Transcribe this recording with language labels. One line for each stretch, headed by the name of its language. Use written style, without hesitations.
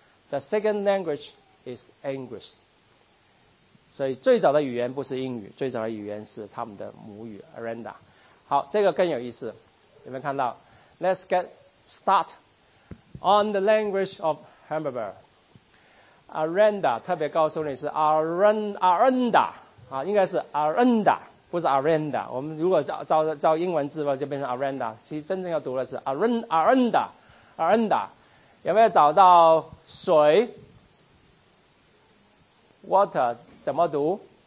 English: The second language is English.
Chinese: 所以最早的语言不是英语，最早的语言是他们的母语 Aranda。好，这个更有意思，有没有看到 ？
English: Let's get start on the language of Hermeverse.
Chinese: Aranda 特别告诉你是 Aranda 啊，应该是 Aranda 不是 Aranda。我们如果照英文字吧，就变成 Aranda。其实真正要读的是 Aranda。有没有找到水 Water 怎么读？